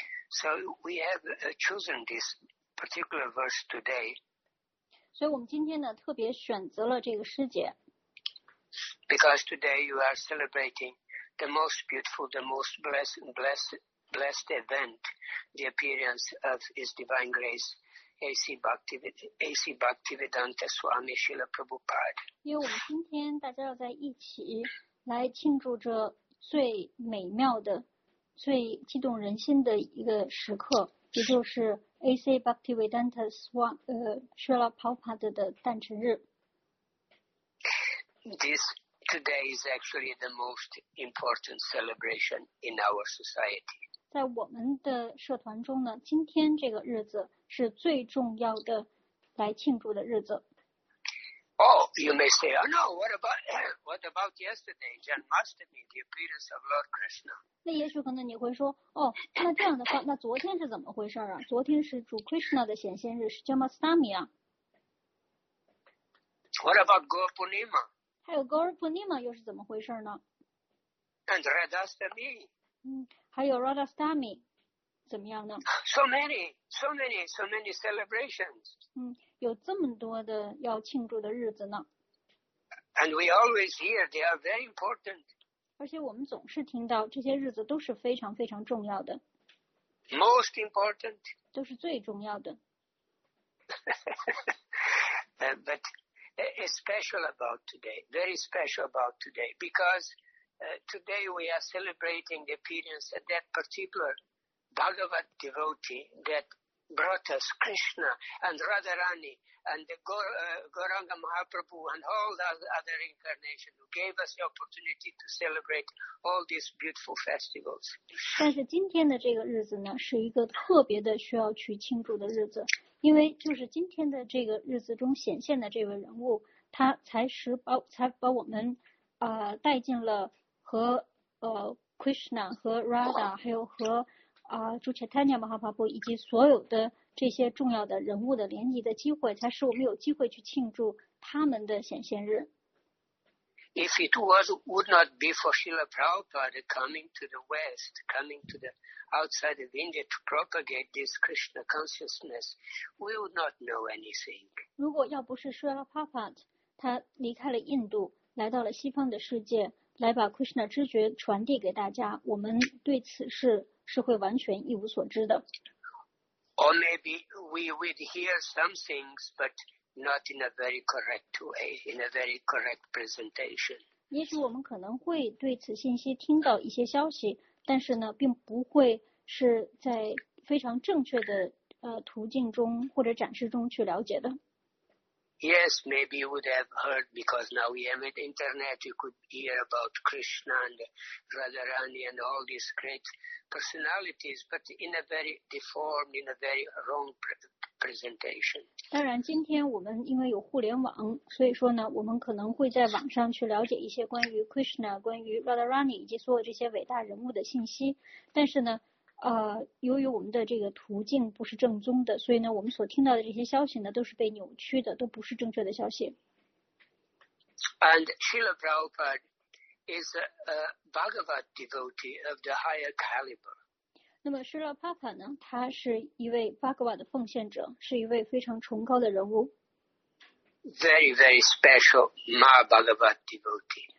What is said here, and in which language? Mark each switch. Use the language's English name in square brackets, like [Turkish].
[English] So we have chosen this particular verse today. [Chinese] 所以我们今天呢，特别选择了这个诗节。 [English] Because today you are celebrating the most beautiful, the most blessed event, the appearance of His Divine Grace, A.C. Bhaktivedanta Swami Srila Prabhupada. [Chinese] 因为我们今天大家要在一起来庆祝这最美妙的、最激动人心的一个时刻，也就是A.C. Bhaktivedanta Swami Srila Prabhupada 的诞辰日。 [English] This today is actually the most important celebration in our society. [Chinese] 在我们的社团中呢，今天这个日子是最重要的来庆祝的日子。 [English] Oh, you may say, oh no, what about yesterday, Janmashtami, the appearance of Lord Krishna? [Chinese] 那也许可能你会说，哦，那这样的话，那昨天是怎么回事啊？昨天是主 Krishna 的显现日，是 Janmashtami 啊。 [English] What about Gopunima? [Chinese] 还有 Gopunima 又是怎么回事呢？ [English] And Radhastami. [Chinese] 还有 Radhastami 怎么样呢？ [English] So many celebrations. [Chinese] 有这么多的要庆祝的日子呢。 [English] And we always hear they are very important. [Chinese] 而且我们总是听到这些日子都是非常非常重要的。 [English] Most important. [Chinese] 都是最重要的。 [English] But it's special about today, very special about today, because today we are celebrating the appearance of that particular Bhagavat devotee that brought us Krishna and Radharani and Gauranga Mahaprabhu and all the other incarnations who gave us the opportunity to celebrate all these beautiful festivals. [Chinese] 但是今天的这个日子呢，是一个特别的需要去庆祝的日子，因为就是今天的这个日子中显现的这位人物，他才把我们带进了和Krishna 和 Radha 还有和朱切坦尼亚马哈帕布以及所有的这些重要的人物的联系的机会，才使我们有机会去庆祝他们的显现日。 [English] If it was would not be for Srila Prabhupada coming to the West, coming to the outside of India to propagate this Krishna consciousness, we would not know anything. [Chinese] 如果要不是 Srila Prabhupada 他离开了印度，来到了西方的世界，来把 Krishna 知觉传递给大家，我们对此事是会完全一无所知的。 [English] Or maybe we would hear some things, but not in a very correct way, in a very correct presentation. [Chinese] 也许我们可能会对此信息听到一些消息，但是呢，并不会是在非常正确的途径中或者展示中去了解的。 [English] Yes, maybe you would have heard because now we have the internet. You could hear about Krishna and Radharani and all these great personalities, but in a very deformed, in a very wrong presentation. [Chinese] 当然，今天我们因为有互联网，所以说呢，我们可能会在网上去了解一些关于 Krishna、关于 Radharani 以及所有这些伟大人物的信息。但是呢，由于我们的这个途径不是正宗的，所以呢，我们所听到的这些消息呢，都是被扭曲的，都不是正确的消息。 [English] And Srila Prabhupada is a Bhagavad devotee of the higher caliber. [Chinese] 那么 Srila Prabhupada 呢，他是一位 Bhagavad 的奉献者，是一位非常崇高的人物。 [English] Very, very special Mahabhagavad devotee.